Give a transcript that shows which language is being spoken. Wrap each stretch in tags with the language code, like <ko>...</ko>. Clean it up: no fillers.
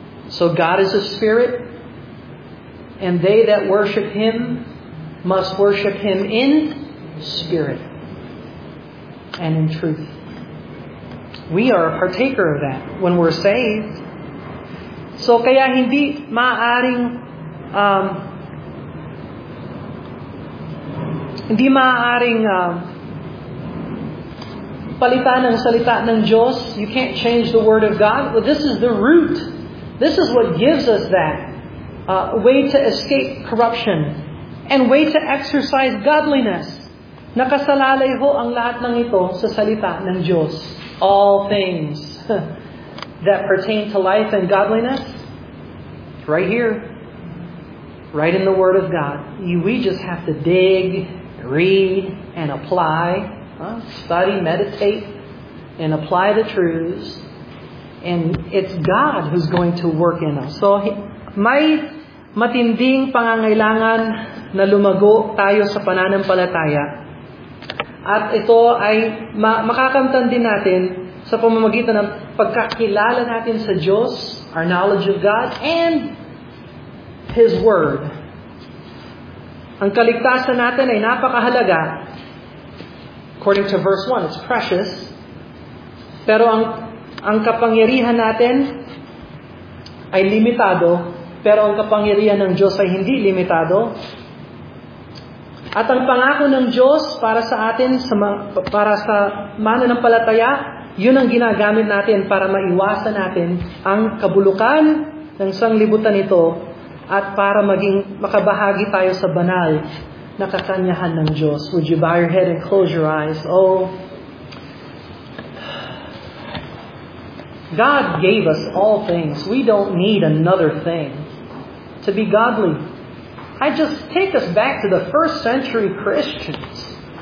<en>So God is a spirit, and they that worship Him must worship Him in spirit and in truth. We are a partaker of that when we're saved.</en> <tl>So kaya hindi maaring palitan ng salita ng Diyos.</tl> <en>You can't change the word of God. Well, this is the root. This is what gives us that way to escape corruption and way to exercise godliness.</en> <tl>Nakasalalay ho ang lahat ng ito sa salita ng Diyos.</tl> <en>All things that pertain to life and godliness, right here, right in the Word of God. We just have to dig, read, and apply, study, meditate, and apply the truths. And it's God who's going to work in us.</en> <tl>So, may matinding pangangailangan na lumago tayo sa pananampalataya. At ito ay makakamtan din natin sa pamamagitan ng pagkakilala natin sa Diyos,</tl> <en>our knowledge of God, and His Word.</en> <tl>Ang kaligtasan natin ay napakahalaga.</tl> <en>According to verse 1, it's precious.</en> <tl>Pero ang kapangyarihan natin ay limitado, pero ang kapangyarihan ng Diyos ay hindi limitado. At ang pangako ng Diyos para sa atin, para sa mananampalataya, yun ang ginagamit natin para maiwasan natin ang kabulukan ng sanglibutan ito at para maging makabahagi tayo sa banal na kakanyahan ng Diyos.</tl> <en>Would you bow your head and close your eyes? Oh, God gave us all things. We don't need another thing to be godly. I just take us back to the first century Christians.</en>